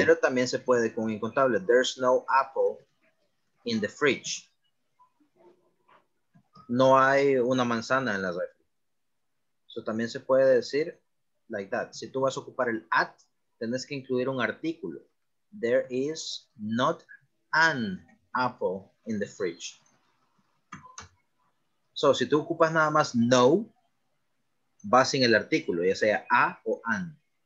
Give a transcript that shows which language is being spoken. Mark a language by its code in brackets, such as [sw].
[es] Pero también se puede con incontables. [en] There's no apple in the fridge. [es] No hay una manzana en la refri. Eso también se puede decir [en] like that. [es] Si tú vas a ocupar el at, tenés que incluir un artículo. [en] There is not an apple in the fridge. [es] So, si tú ocupas nada más no, va sin el artículo, ya sea a o an.